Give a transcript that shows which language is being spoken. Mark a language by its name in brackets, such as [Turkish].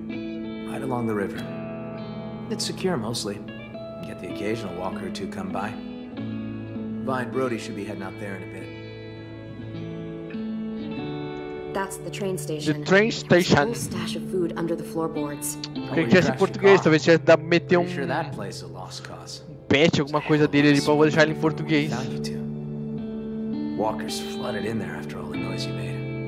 [English] Right along the river. It's secure, mostly. Get the occasional walker to come by. Vine Brody should be heading out there in a bit. That's the train station. The train station. There's a whole stash of food under the floorboards. [Portuguese] Que é esse português? Talvez já dá pra meter um... [English] Sure that place a lost cause. [Portuguese] Pet, alguma coisa dele ali, pra eu deixar ele em português. [English] Walkers flooded in there after all the noise you made.